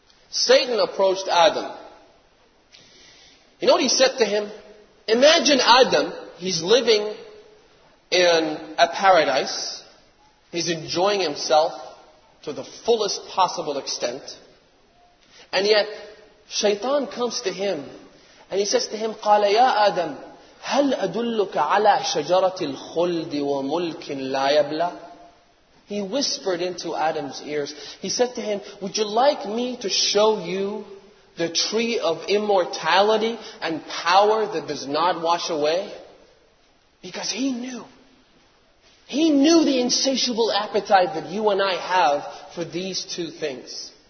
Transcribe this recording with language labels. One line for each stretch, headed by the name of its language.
English: Satan approached Adam. You know what he said to him? Imagine Adam, he's living in a paradise. He's enjoying himself to the fullest possible extent. And yet, Shaitan comes to him. And he says to him,
Arabic: قَالَ يَا آدَمْ هَلْ أَدُلُّكَ عَلَى شَجَرَةِ الْخُلْدِ وَمُلْكٍ لَا يَبْلَى.
English: He whispered into Adam's ears. He said to him, would you like me to show you the tree of immortality and power that does not wash away? Because he knew. He knew the insatiable appetite that you and I have for these two things.